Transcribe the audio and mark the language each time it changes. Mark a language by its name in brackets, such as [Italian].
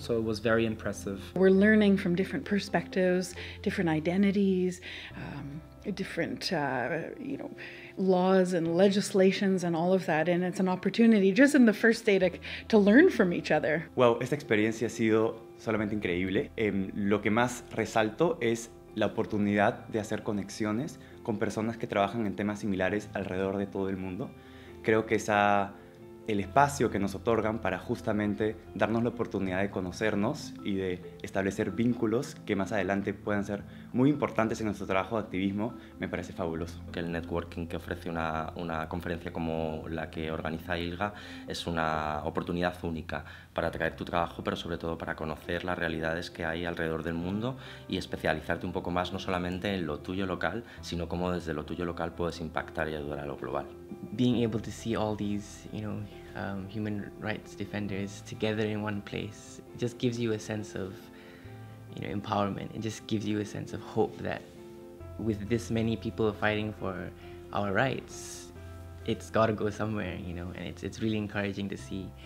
[English] So it was very impressive. We're learning from different perspectives, different identities, different you know, laws and legislations and all of that, and it's an opportunity just in the first day to learn from each other. [Spanish] Wow, esta experiencia ha sido solamente increíble. Lo que más resalto es la oportunidad de hacer conexiones con personas que trabajan en temas similares alrededor de todo el mundo. Creo que esa el espacio que nos otorgan para justamente darnos la oportunidad de conocernos y de establecer vínculos que más adelante puedan ser muy importantes en nuestro trabajo de activismo, me parece fabuloso. Que el networking que ofrece una conferencia como la que organiza ILGA es una oportunidad única para traer tu trabajo, pero sobre todo para conocer las realidades que hay alrededor del mundo y especializarte un poco más, no solamente en lo tuyo local, sino cómo desde lo tuyo local puedes impactar y ayudar a lo global. [English] Being able to see all these, you know, human rights defenders together in one place just gives you a sense of, you know, empowerment. It just gives you a sense of hope that with this many people fighting for our rights, it's got to go somewhere, you know, and it's really encouraging to see.